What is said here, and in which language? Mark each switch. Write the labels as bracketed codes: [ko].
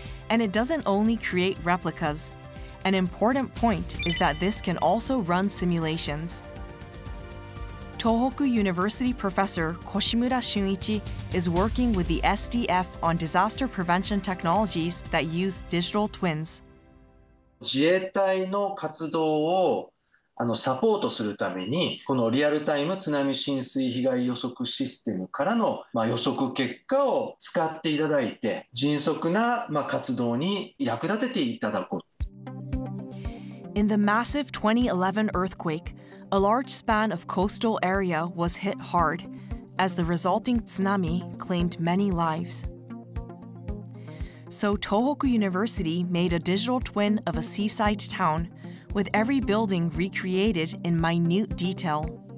[en] And it doesn't only create replicas. An important point is that this can also run simulations. Tohoku University professor Koshimura Shunichi is working with the SDF on disaster prevention technologies that use digital twins. [ja] 自衛隊の活動をサポートするためにこのリアルタイム津波浸水被害予測システムからの予測結果を使っていただいて迅速な活動に役立てていただこう。 [en] In the massive 2011 earthquake, a large span of coastal area was hit hard as the resulting tsunami claimed many lives. So Tohoku University made a digital twin of a seaside town with every building recreated in minute detail.